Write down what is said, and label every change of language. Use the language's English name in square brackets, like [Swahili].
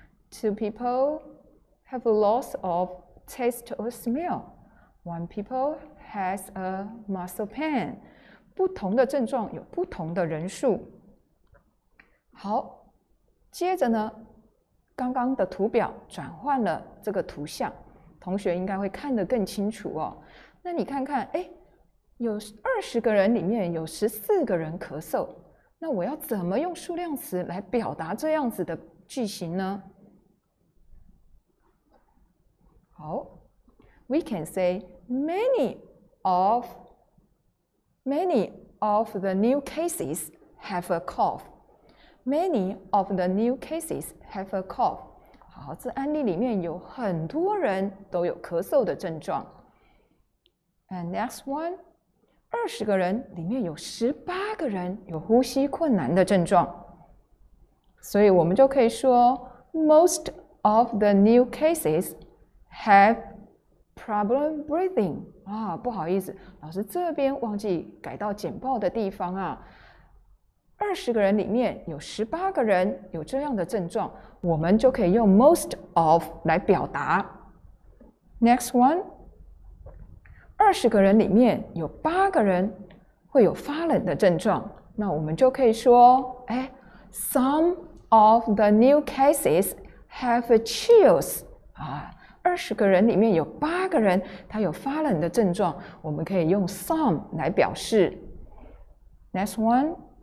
[English] 2 people have a loss of taste or smell. 1 people has a muscle pain. [Chinese] 不同的症状有不同的人数。好，接着呢，刚刚的图表转换了这个图像。同学应该会看得更清楚哦。那你看看，哎，有20个人里面有14个人咳嗽，那我要怎么用数量词来表达这样子的句型呢？ [English] 好 ，We can say many of the new cases have a cough. Many of the new cases have a cough. [Chinese] 好，这案例里面有很多人都有咳嗽的症状。 [English] And next one, [Chinese] 20个人里面有18个人有呼吸困难的症状。所以我们就可以说 [English] ,most of the new cases have problem breathing. [Chinese] 啊，不好意思，老师这边忘记改到简报的地方啊。 20个人里面有18个人有这样的症状，我们就可以用 most of 来表达。 [English] Next one， [Chinese] 20个人里面有8个人会有发冷的症状，那我们就可以说，哎 ， [English] some of the new cases have chills [Chinese] 啊，20个人里面有8个人他有发冷的症状，我们可以用 some 来表示。Next one。